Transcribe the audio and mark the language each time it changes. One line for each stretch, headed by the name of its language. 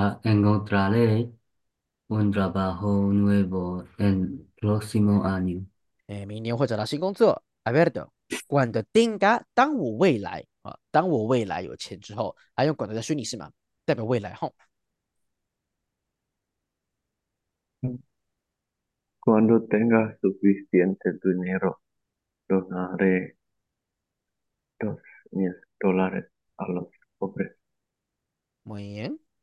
Spanish: Encontraré un trabajo nuevo el próximo año.
Chinese: 明年会找到新工作。
Spanish: Alberto, cuando tenga,
Chinese: 当我未来啊，当我未来有钱之后，还用 cuando 在虚拟式嘛，代表未来哈。
Spanish: Cuando tenga suficiente dinero, donaré $2,000 a los pobres. Muy bien.